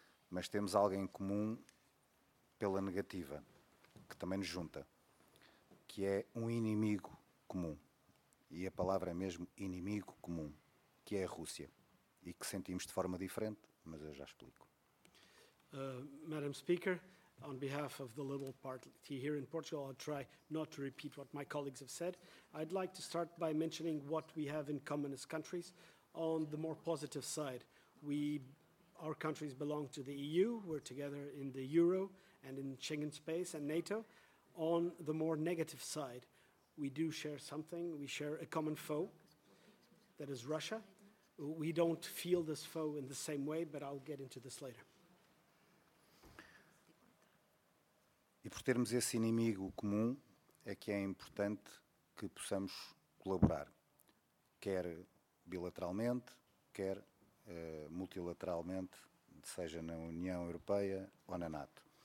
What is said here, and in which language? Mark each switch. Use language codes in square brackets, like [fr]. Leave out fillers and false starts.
[pt] Mas temos algo em comum pela negativa, que também nos junta, que é um inimigo comum, e a palavra é mesmo inimigo comum, que é a Rússia, e que sentimos de forma diferente, mas eu já explico. [en] Madam Speaker, on behalf of the Liberal Party here in Portugal. I'll try not to repeat what my colleagues have said. I'd like to start by mentioning what we have in common as countries. On the more positive side, our countries belong to the EU. We're together in the Euro and in Schengen space and NATO. On the more negative side, we do share something. We share a common foe, that is Russia. We don't feel this foe in the same way, but I'll get into this later. [pt] E por termos esse inimigo comum, é que é importante que possamos colaborar, quer bilateralmente, quer multilateralmente, seja na União Europeia ou na NATO.